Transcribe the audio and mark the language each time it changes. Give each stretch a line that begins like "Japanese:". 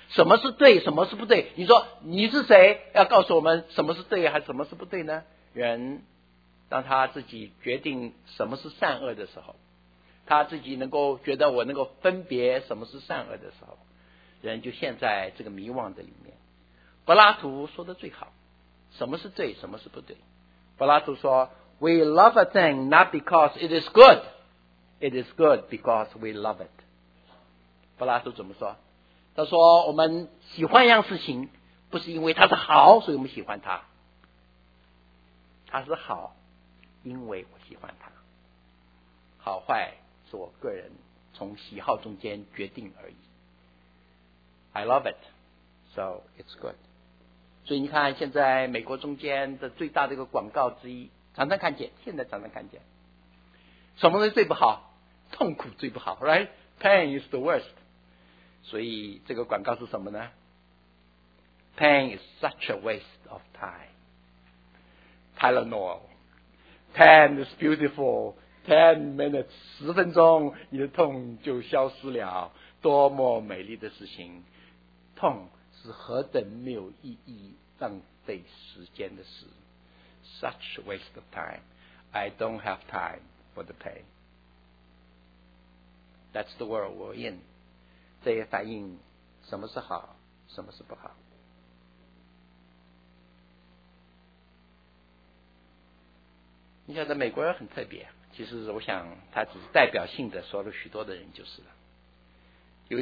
Chinese: 什么是对，什么是不对？你说你是谁，要告诉我们什么是对还什么是不对呢？人。当他自己决定什么是善恶的时候，他自己能够觉得我能够分别什么是善恶的时候，人就陷在这个迷惘的里面。柏拉图说的最好，什么是对，什么是不对。柏拉图说
English: We love a thing not because it is good, it is good because we love it。
Chinese: 柏拉图怎么说？他说我们喜欢一样事情，不是因为它是好所以我们喜欢它，它是好因为我喜欢它，好坏是我个人从喜好中间决定而已。
English: I love it so it's good。
Chinese: 所以你看现在美国中间的最大的一个广告之一，常常看见，现在常常看见，什么是最不好？痛苦最不好，
English: right? Pain is the worst。
Chinese: 所以这个广告是什么呢？
English: Pain is such a waste of time。 Tylenol Pain is beautiful。 10 minutes,
Chinese: 十分钟你的痛就消失了，多么美丽的事情。痛是何等没有意义浪费时间的事。
English: Such a waste of time, I don't have time for the pain. That's the world we're in.
Chinese: 这也反映什么是好，什么是不好。你晓得美国人很特别，其实我想他只是代表性的说了许多的人就是了。